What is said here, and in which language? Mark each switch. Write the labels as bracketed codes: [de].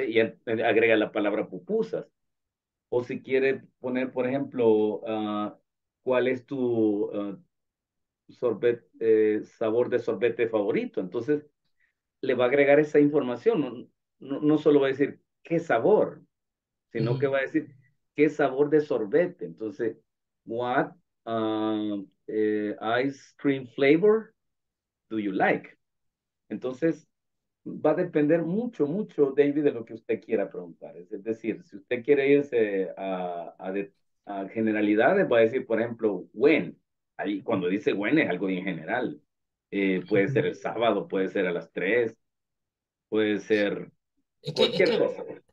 [es] Y agrega la palabra pupusas. O si quiere poner, por ejemplo, ¿cuál es tu sabor de sorbete favorito? Entonces, le va a agregar esa información. No, no, no solo va a decir, ¿qué sabor? Sino uh-huh. que va a decir, ¿qué sabor de sorbete? Entonces, [en] what ice cream flavor do you like? [es] Entonces, va a depender mucho, mucho, David, de lo que usted quiera preguntar. Es decir, si usted quiere irse a generalidades, va a decir, por ejemplo, when. Ahí, cuando dice when, es algo bien general. Puede ser el sábado, puede ser a las 3, puede ser cualquier cosa.